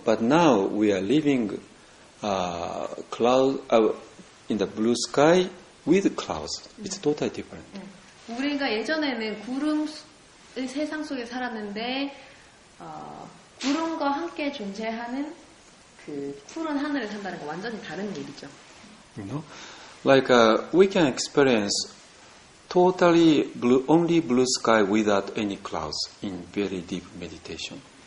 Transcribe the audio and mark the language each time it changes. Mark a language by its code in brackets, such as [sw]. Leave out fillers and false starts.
[en] But now we are living in the blue sky with clouds. It's totally different. [ko] 우리가 예전에는 구름 이 세상 속에 살았는데 구름과 함께 존재하는 그 푸른 하늘에 산다는 건 완전히 다른 일이죠. [en] You know, like we can experience totally blue, only blue sky without any clouds in very deep meditation.